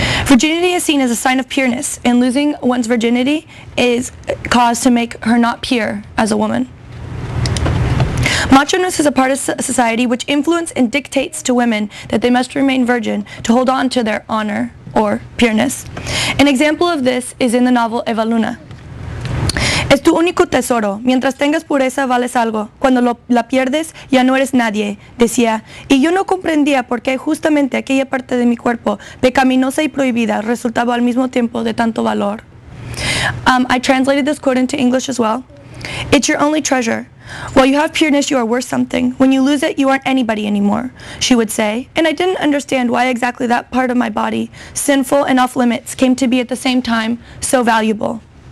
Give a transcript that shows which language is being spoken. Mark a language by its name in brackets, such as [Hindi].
[English] Virginity is seen as a sign of pureness, and losing one's virginity is cause to make her not pure as a woman. Macho-ness is a part of society which influences and dictates to women that they must remain virgin to hold on to their honor or pureness. An example of this is in the novel Eva Luna. [Spanish] Es tu único tesoro. Mientras tengas pureza, vales algo. Cuando la pierdes, ya no eres nadie, decía. Y yo no comprendía por qué justamente aquella parte de mi cuerpo, pecaminosa y prohibida, resultaba al mismo tiempo de tanto valor. [English] I translated this quote into English as well. It's your only treasure. While you have pureness, you are worth something. When you lose it, you aren't anybody anymore, she would say. And I didn't understand why exactly that part of my body, sinful and off limits, came to be at the same time so valuable.